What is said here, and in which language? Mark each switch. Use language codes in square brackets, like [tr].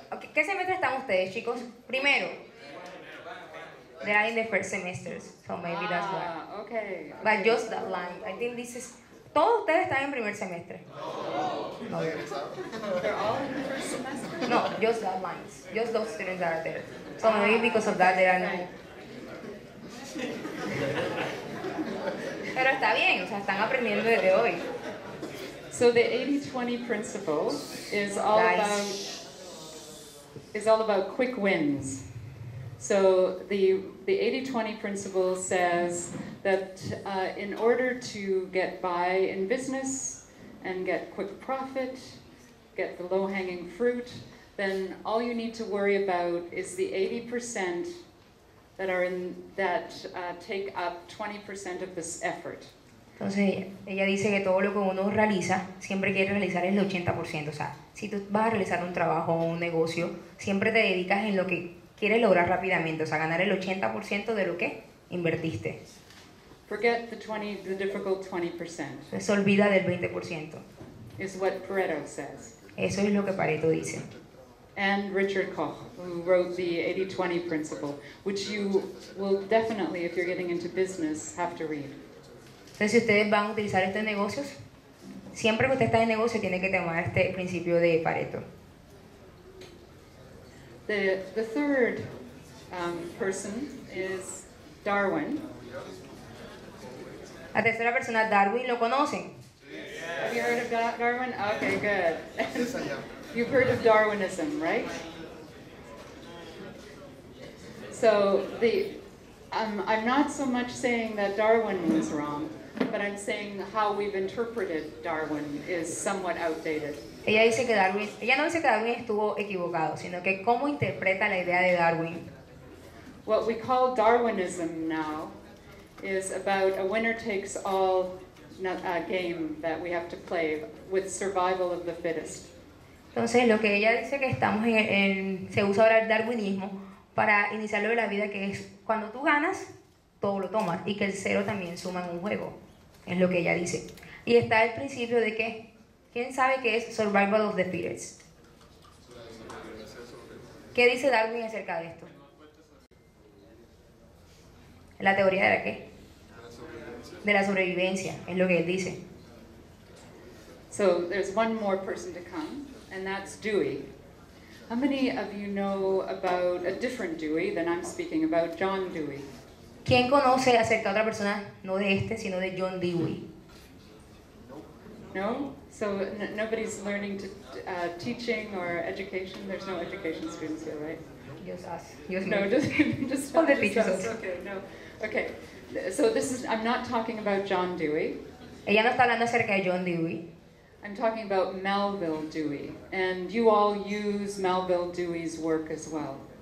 [en] Okay, [es] ¿qué semestre están ustedes, chicos? Primero. [en] They are in the first semesters. So maybe that's why. Okay. But okay. Just that line. I think this is... [es] Todos ustedes están en primer semestre. [en] No. They're all in the first semester? No, just that line. Just those students that are there. So maybe because of that they are new. [es] Pero está bien, o sea, están aprendiendo desde hoy. [en] So the 80-20 principle is all about quick wins. So the 80-20 principle says that in order to get by in business and get quick profit, get the low-hanging fruit, then all you need to worry about is the 80% that are in that take up 20% of this effort. [es] Entonces, ella dice que todo lo que uno realiza, siempre quiere realizar el 80%. O sea, si tú vas a realizar un trabajo o un negocio, siempre te dedicas en lo que quieres lograr rápidamente, o sea, ganar el 80% de lo que invertiste. [en] Forget the 20, the difficult 20%. [es] Se olvida del 20%. [en] Is what Pareto says. [es] Eso es lo que Pareto dice. [en] And Richard Koch, who wrote the 80-20 principle, which you will definitely, if you're getting into business, have to read. [es] Entonces, si ustedes van a utilizar estos negocios, siempre que usted está en negocio, tiene que tomar este principio de Pareto. [en] The third person is Darwin. [es] La tercera persona, Darwin, ¿lo conocen? [en] Yes. Have you heard of Darwin? Okay, good. You've heard of Darwinism, right? So, I'm not so much saying that Darwin was wrong, but I'm saying how we've interpreted Darwin is somewhat outdated. [es] Ella dice que Darwin, ella no dice que Darwin estuvo equivocado, sino que cómo interpreta la idea de Darwin. [en] What we call Darwinism now is about a winner takes all game that we have to play with survival of the fittest. [es] Entonces lo que ella dice que estamos en se usa ahora el darwinismo para iniciar lo de la vida, que es cuando tú ganas todo lo tomas y que el cero también suma en un juego. Es lo que ella dice. Y está el principio de que, ¿quién sabe qué es [en] survival of the fittest? [es] ¿Qué dice Darwin acerca de esto? ¿La teoría de la qué? De la sobrevivencia, es lo que él dice. [en] So, there's one more person to come, and that's Dewey. How many of you know about a different Dewey than I'm speaking about, John Dewey? [es] ¿Quién conoce acerca de otra persona, no de este, sino de John Dewey? [en] No? So nobody's learning to teaching or education? There's no education students here, right? Just us. No, just all the teachers. Okay, no. Okay, so this is, I'm not talking about John Dewey. [es] Ella no está hablando acerca de John Dewey. [en] I'm talking about Melville Dewey. And you all use Melville Dewey's work as well.